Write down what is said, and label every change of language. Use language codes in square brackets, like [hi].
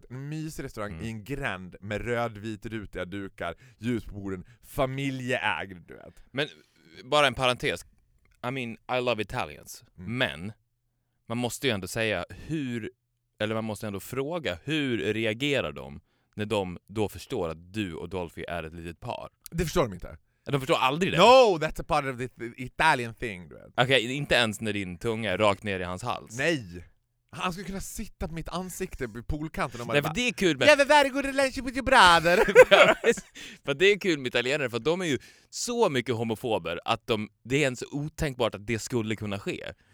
[sv] En mysig restaurang i en gränd med rödvit rutiga dukar, ljus på borden, familjeägd, du vet. Men bara en parentes. [en] I mean, I love Italians. [sv] Mm. Men man måste ju ändå säga hur, eller man måste ändå fråga, hur reagerar de när de då förstår att du och Dolphy är ett litet par? Det förstår de inte. De förstår aldrig det. [en] No, that's a part of the Italian thing. [sv] Okej, inte ens när din tunga är rakt ner i hans hals. Nej. Han skulle kunna sitta på mitt ansikte på poolkanten. Nej, för det är kul. [en] You have a very good relationship with your brother. [sv] För det är kul med italienare, för de är ju så mycket homofober att det är ens otänkbart att det skulle kunna ske.